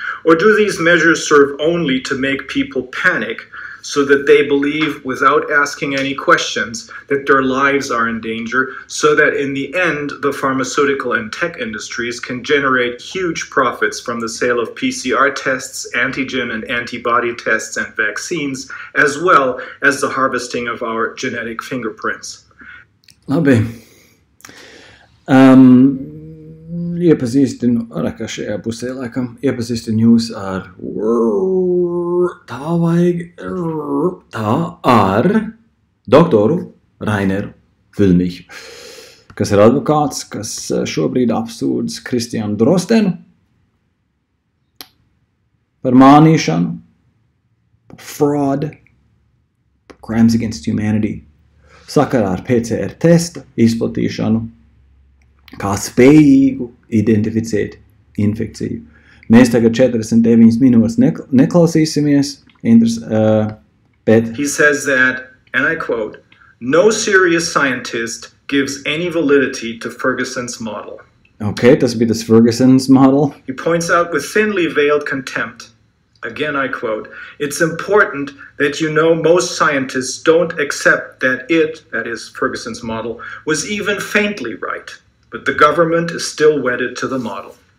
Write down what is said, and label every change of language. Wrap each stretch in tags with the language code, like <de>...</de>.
<en>Or do these measures serve only to make people panic so that they believe without asking any questions that their lives are in danger, so that in the end the pharmaceutical and tech industries can generate huge profits from the sale of PCR tests, antigen and antibody tests and vaccines, as well as the harvesting of our genetic fingerprints.</en> <lv>Labi. Iepazīstinu, arā kā šajā pusē laikam, iepazīstinu jūs ar tā ar doktoru Raineru Füllmich, kas ir advokāts, kas šobrīd apsūdz Kristianu Drostenu par mānīšanu, par</lv> <en>fraud,</en> <lv>par</lv> <en>crimes against humanity,</en> <lv>sakarā ar PCR testa izplatīšanu, kā spējīgu identificēt infekciju. Mēs tagad 49 minūtes neklausīsimies. Bet</lv> <en>he says that, and I quote, no serious scientist gives any validity to Ferguson's model.</en> <lv>Okay, tas bija tas</lv> <en>Ferguson's model. He points out with thinly veiled contempt, again I quote, it's important that you know most scientists don't accept that it, that is Ferguson's model, was even faintly right, but the government is still wedded to the model.</en>